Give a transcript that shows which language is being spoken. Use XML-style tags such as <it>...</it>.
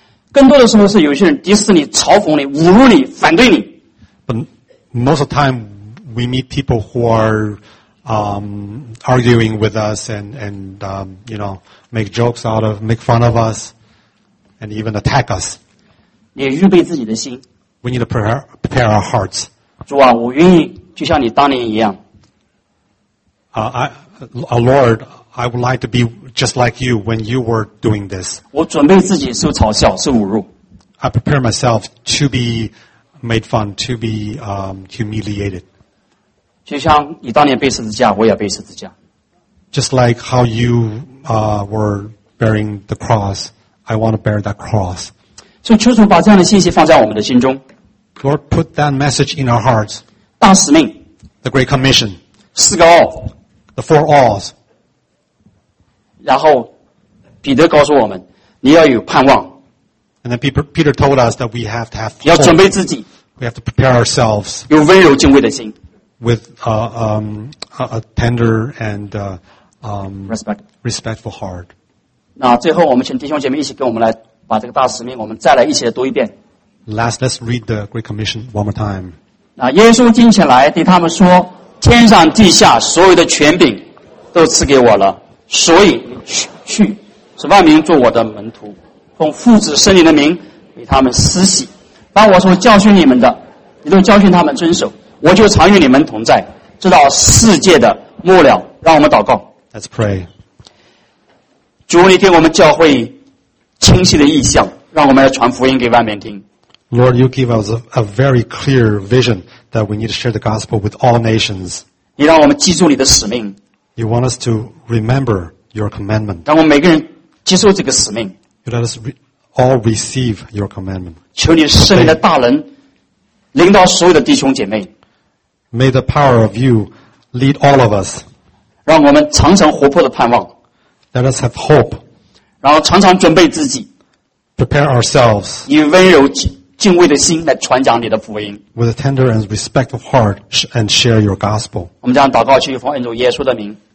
<zh>更多的时候是有些人敌视你、嘲讽你、侮辱你、反对你。</zh> <en>But most of the time, we meet people who are arguing with us and make fun of us, and even attack us.</en> <zh>你预备自己的心。</zh> <en>We need to prepare our hearts.</en> <zh>主啊，我愿意就像你当年一样。</zh> <en>Lord, I would like to be just like you when you were doing this.</en> <zh>我准备自己受嘲笑，受侮辱。</zh> <en>I prepare myself to be made fun, to be humiliated.</en> <zh>就像你当年背十字架，我也背十字架。</zh> <en>Just like how you were bearing the cross, I want to bear that cross.</en> <zh>所以求主把这样的信息放在我们的心中。</zh> <en>Lord, put that message in our hearts.</en> <zh>大使命。</zh> <en>The Great Commission.</en> <zh>四个 all.</zh> <en>The four alls.</en> <zh>然后彼得告诉我们，你要有盼望。</zh> <en>And then Peter told us that we have to have hope.</en> <zh>要准备自己。</zh> <en>We have to prepare ourselves.</en> <zh>有温柔敬畏的心。</zh> <en>With a tender and respectful heart.</en> <zh>那最后我们请弟兄姐妹一起跟我们来把这个大使命我们再来一起来读一遍。</zh> <en>Last, let's read the Great Commission one more time.</en> <zh>那耶稣进前来对他们说，天上地下所有的权柄都赐给我了，所以去使万民做我的门徒，奉父子圣灵的名给他们施洗，把我所教训你们的你都教训他们遵守，我就常与你们同在直到世界的末了。让我们祷告。</zh> <en>Let's pray.</en> <zh>主，你给我们教会清晰的意象，让我们要传福音给万民听。</zh> <en>Lord, you give us a very clear vision that we need to share the gospel with all nations.</en> <zh>你让我们记住你的使命。</zh> <en>You want us to remember your commandment.</en> <zh>让我们每个人接受这个使命。</zh> <en>You let us all receive your commandment.</en> <zh>求你圣灵的大能领导所有的弟兄姐妹。</zh> <en>May the power of you lead all of us.</en> <zh>让我们常常活泼的盼望。</zh> <en>Let us have hope.</en> <zh>然后常常准备自己。</zh> <en>Prepare ourselves.</en> <zh>以温柔敬畏的心来传讲你的福音。</zh> <en>With a tender and respectful heart and share your gospel.</en> <zh>我们将祷告去奉恩主耶稣的名。</zh>